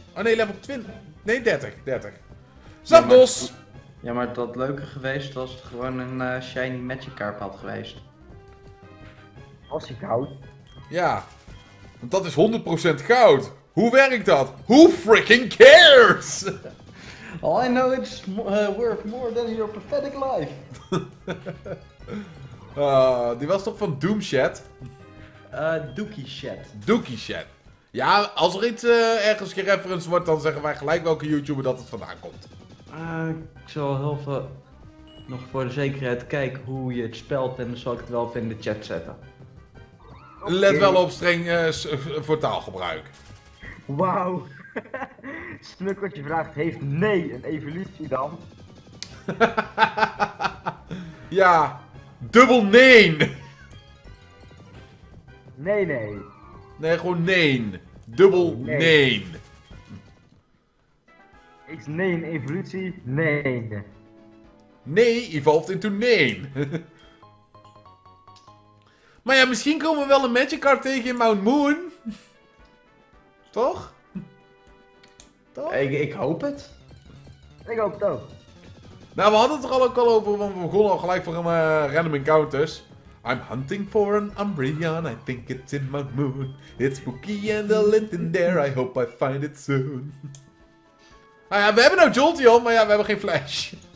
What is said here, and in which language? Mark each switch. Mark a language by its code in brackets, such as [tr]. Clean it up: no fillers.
[nl] Oh nee, level 20. Nee, 30. Zapdos! Ja, maar dat leuker geweest was het gewoon een Shiny Magikarp had geweest. Was hij goud? Ja. Want dat is 100% goud. Hoe werkt dat? [en] Who freaking cares? All I know it's worth more than your pathetic life. [nl] Die was toch van Doomshed? Dookieshed. Dookieshed. Ja, als er iets ergens gereferenced wordt, dan zeggen wij gelijk welke YouTuber dat het vandaan komt. Ik zal heel veel nog voor de zekerheid kijken hoe je het spelt en dan zal ik het wel even in de chat zetten. Okay. Let wel op streng voor taalgebruik. Wauw. Snuk wat je vraagt, heeft nee een evolutie dan? Ja, dubbel nee. Nee, nee. Nee, gewoon nee. Dubbel nee. Is nee een evolutie? Nee. Nee [en] evolved into [nl] nee. Maar ja, misschien komen we wel een Magikarp tegen in Mount Moon. Toch? Toch? Ik hoop het. Ik hoop het ook. Nou, we hadden het er al ook al over, want we begonnen al gelijk voor een random encounters. [en] I'm hunting for an Umbreon, I think it's in Mount Moon. It's spooky and a Linton there, I hope I find it soon. [nl] Ah ja, we hebben nou Jolteon, maar ja, we hebben geen Flash.